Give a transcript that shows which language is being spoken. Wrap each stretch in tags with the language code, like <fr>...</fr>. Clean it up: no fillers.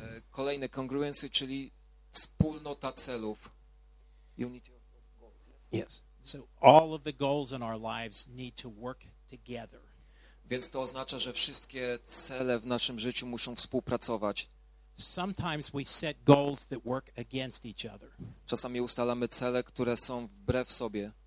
<pl>Kolejne congruency, czyli wspólnota celów.</pl> <en>Unity of goals, yes. Yes. So all of the goals in our lives need to work together.</en> <pl>Więc to oznacza, że wszystkie cele w naszym życiu muszą współpracować.</pl> <en>Sometimes we set goals that work against each other.</en> <pl>Czasami ustalamy cele, które są wbrew sobie.</pl>